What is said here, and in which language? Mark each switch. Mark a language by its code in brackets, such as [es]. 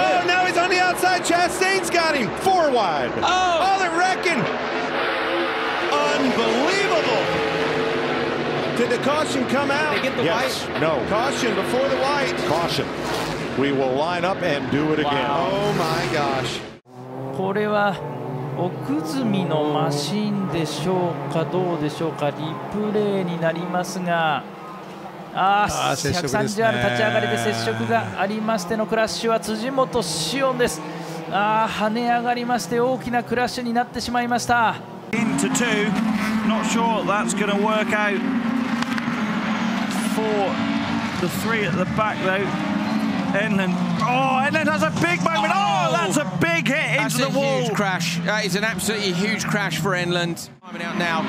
[en] Oh, now he's on the outside. Chastain's got him. Four wide. Oh, they're wrecking. Unbelievable. Did the caution come out? They get the white? Yes. No. Caution before the white. Caution. We will line up and do it again. Oh, my gosh. [ja] これは奥積みのマシンでしょうかどうでしょうかリプレイになりますが。 130R 立ち上がりで接触がありましてのクラッシュは辻本紫音です。跳ね上がりまして大きなクラッシュになってしまいました。 [en] Into two, not sure that's going to work out for the three at the back though. Enlund Oh, and then has a big moment. Oh, that's a big hit into the wall. That's a huge crash. That is an absolutely huge crash for Enlund. Timing out now.